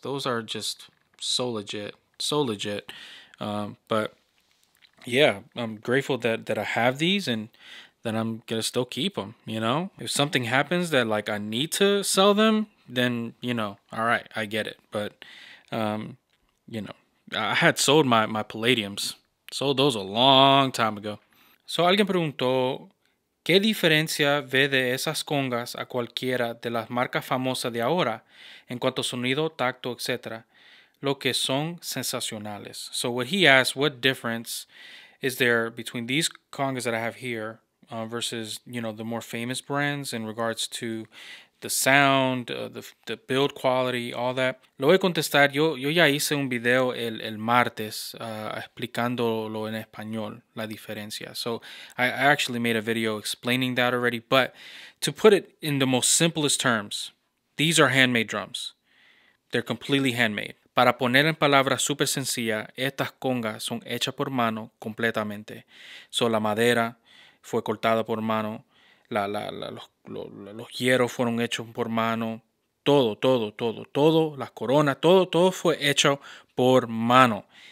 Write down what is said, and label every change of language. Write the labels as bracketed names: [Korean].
[English] Those are just so legit. But yeah, I'm grateful that I have these and that I'm gonna still keep them. You know, if something happens that like I need to sell them, then you know, all right, I get it. But you know, I had sold my palladiums. Sold those a long time ago. [Spanish] So alguien preguntó, ¿qué diferencia ve de esas congas a cualquiera de las marcas famosas de ahora en cuanto a sonido, tacto, etc.? Lo que son sensacionales. [English] So what he asked, what difference is there between these congas that I have here versus, you know, the more famous brands in regards to the sound, the build quality, all that. [Spanish] Lo voy a contestar. Yo ya hice un video el martes explicándolo en español, la diferencia. [English] So I actually made a video explaining that already. But to put it in the most simplest terms, these are handmade drums. They're completely handmade. [Spanish] Para poner en palabras súper sencillas, estas congas son hechas por mano completamente. So, la madera fue cortada por mano, los hierros fueron hechos por mano, todo, las coronas, todo fue hecho por mano.